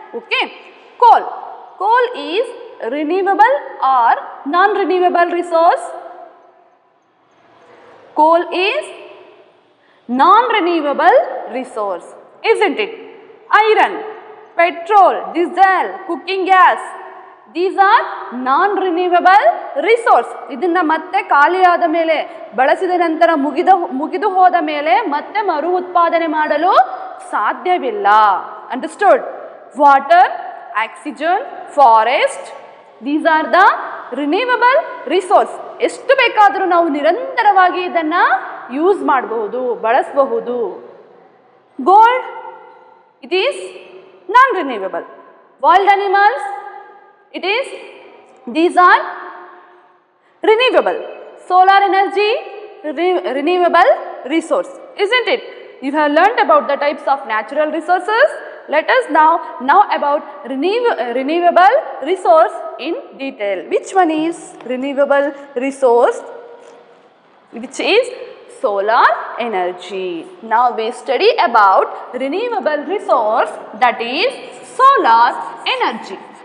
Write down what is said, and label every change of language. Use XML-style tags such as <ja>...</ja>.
<en>Okay, coal. Coal is renewable or non-renewable resource? Coal is non-renewable resource, isn't it? Iron, petrol, diesel, cooking gas, these are non-renewable resource.</en> <kn>ಇದನ್ನು ಮತ್ತೆ ಖಾಲಿಯಾದ ಮೇಲೆ ಬಳಸಿದ ನಂತರ ಮುಗಿದು ಹೋದ ಮೇಲೆ ಮತ್ತೆ ಮರು ಉತ್ಪಾದನೆ ಮಾಡಲು ಸಾಧ್ಯವಿಲ್ಲ. Understood?</kn> <en>Water, oxygen, forest, these are the renewable resource.</en> <kn>ಎಷ್ಟು ಬೇಕಾದರೂ ನಾವು ನಿರಂತರವಾಗಿ ಇದನ್ನು ಯೂಸ್ ಮಾಡಬಹುದು, ಬಳಸಬಹುದು.</kn> <en>Gold, it is non renewable. Wild animals, it is, these are renewable. Solar energy, renewable resource, isn't it? You have learned about the types of natural resources. Let us now about renewable resource in detail. Which one is renewable resource? Which is solar energy. Now we study about renewable resource, that is solar energy.</en>